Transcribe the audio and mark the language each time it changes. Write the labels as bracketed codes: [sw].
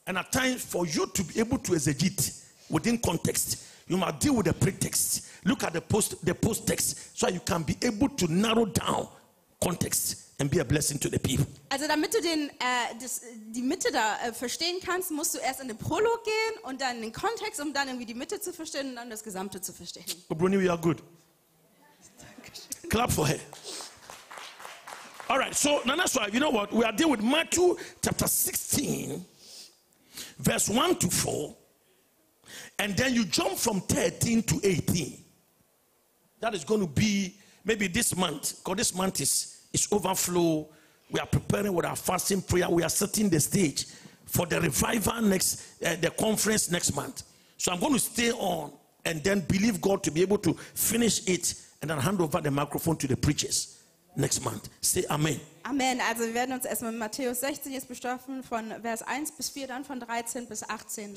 [en] And at times for you to be able to exegete within context, you must deal with the pretext. Look at the posttext so you can be able to narrow down context and be a blessing to the people. [de] Also damit du die Mitte da verstehen kannst, musst du erst in den Prolog gehen und dann in den Kontext, um dann irgendwie die Mitte zu verstehen und dann das Gesamte zu verstehen. [en] Oh, Bruni, you are good. [de] Dankeschön. [en] Clap for her. All right, so now that's why, you know what, we are dealing with Matthew chapter 16, verse 1 to 4, and then you jump from 13 to 18. That is going to be maybe this month, because this month is overflow. We are preparing with our fasting prayer. We are setting the stage for the revival next, the conference next month. So I'm going to stay on and then believe God to be able to finish it and then hand over the microphone to the preachers next month. Say amen. Amen. [de] Also wir werden uns erstmal mit Matthäus 16 jetzt bestoffen von Vers 1 bis 4, dann von 13 bis 18.